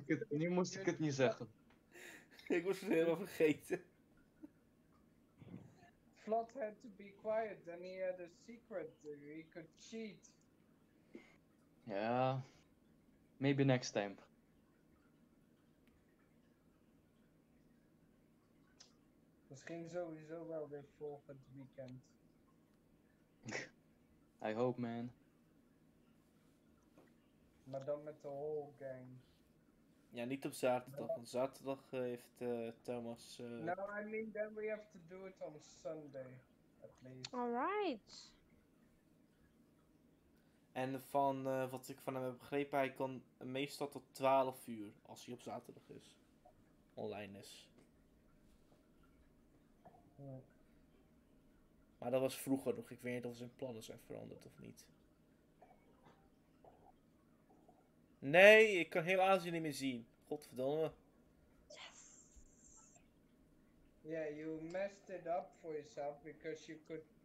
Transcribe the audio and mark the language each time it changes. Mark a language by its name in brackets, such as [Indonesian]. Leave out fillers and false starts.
[Dutch] nu moest ik het niet zeggen. Ik was het helemaal vergeten. [English] Vlad had to be quiet, then he had a secret. He could cheat. Ja... Yeah. Maybe next time. [Dutch] Misschien sowieso wel weer volgend weekend. [English] I hope, man. [Dutch] Maar dan met de whole gang. Ja, niet op zaterdag. Want zaterdag heeft Thomas... [English] No, I mean then we have to do it on Sunday. At least. Alright. [Dutch] En van wat ik van hem heb begrepen, hij kan meestal tot 12 uur, als hij op zaterdag is, online is. Maar dat was vroeger nog, ik weet niet of zijn plannen zijn veranderd of niet. Nee, ik kan heel Azië niet meer zien. Godverdomme. [English] Yes. Yeah, you messed it up for yourself, because you could...